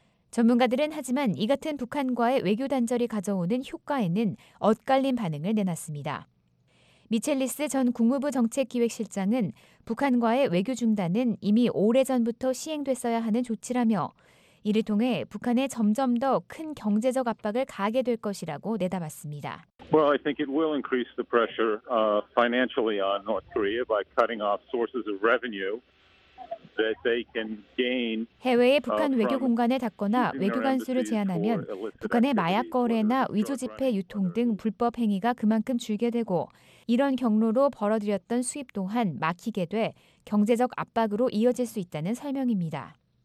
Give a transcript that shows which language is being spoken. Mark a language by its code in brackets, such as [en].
[ko] 전문가들은 하지만 이 같은 북한과의 외교 단절이 가져오는 효과에는 엇갈린 반응을 내놨습니다. 미첼리스 전 국무부 정책기획실장은 북한과의 외교 중단은 이미 오래전부터 시행됐어야 하는 조치라며 이를 통해 북한에 점점 더 큰 경제적 압박을 가하게 될 것이라고 내다봤습니다. [en] Well, I think it will increase the pressure financially on North Korea by cutting off sources of revenue that they can gain. [ko] 해외에 북한 외교 공간을 닫거나 외교관 수를 제한하면 북한의 마약 거래나 위조 지폐 유통 등 불법 행위가 그만큼 줄게 되고 이런 경로로 벌어들였던 수입 또한 막히게 돼 경제적 압박으로 이어질 수 있다는 설명입니다.